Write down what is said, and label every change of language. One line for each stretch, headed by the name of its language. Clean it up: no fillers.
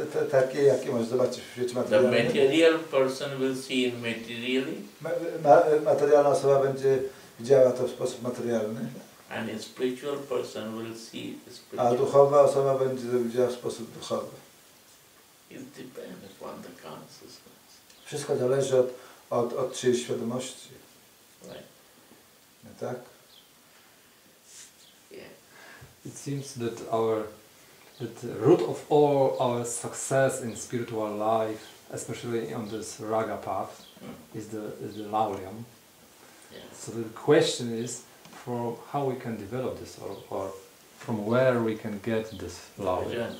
Polish: Takie jakie możesz zobaczyć w świecie materialnym.
English: The material person will see in materially.
Polish: Materialna osoba będzie widziała to w sposób materialny.
English: And a spiritual person will see the spiritual.
Polish: A duchowa osoba będzie widziała w sposób duchowy.
English: It depends on the consciousness.
Polish: Wszystko zależy od czyjej świadomości.
English: Right.
Polish: Tak?
English: Yeah. It seems that the root of all our success in spiritual life, especially on this raga path, is the laulyam. Yeah. So the question is, from how we can develop this, or from where we can get this love.